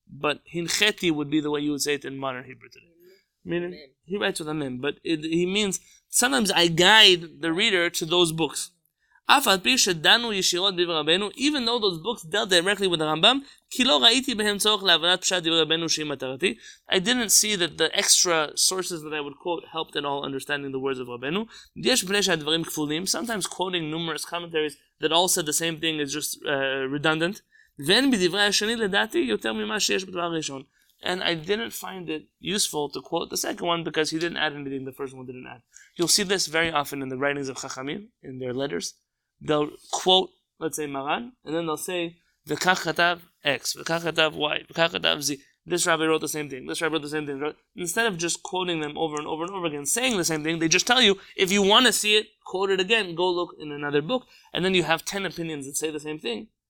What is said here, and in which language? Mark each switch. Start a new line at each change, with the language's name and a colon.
English: But הנחיתי would be the way you would say it in modern Hebrew today. Meaning, he writes with a mem, but he means, sometimes I guide the reader to those books.
Hebrew: אף על פי שדנו ישירות דבר רבנו,
English: even though those books dealt directly with the Rambam,
Hebrew: כי לא ראיתי בהם צורך להבנת פשט דבר רבנו שהיא מטרתי.
English: I didn't see that the extra sources that I would quote helped at all understanding the words of רבנו.
Hebrew: יש בני שהדברים כפולים,
English: sometimes quoting numerous commentaries that all said the same thing is just redundant.
Hebrew: ואין בדברי השני לדעתי יותר ממה שיש בדבר הראשון.
English: And I didn't find it useful to quote the second one because he didn't add anything the first one didn't add. You'll see this very often in the writings of Chachamim, in their letters. They'll quote, let's say, Maran, and then they'll say,
Hebrew: V'kach katav X, V'kach katav Y, V'kach katav Z.
English: This rabbi wrote the same thing, this rabbi wrote the same thing. Instead of just quoting them over and over and over again, saying the same thing, they just tell you, if you want to see it, quote it again, go look in another book, and then you have 10 opinions that say the same thing.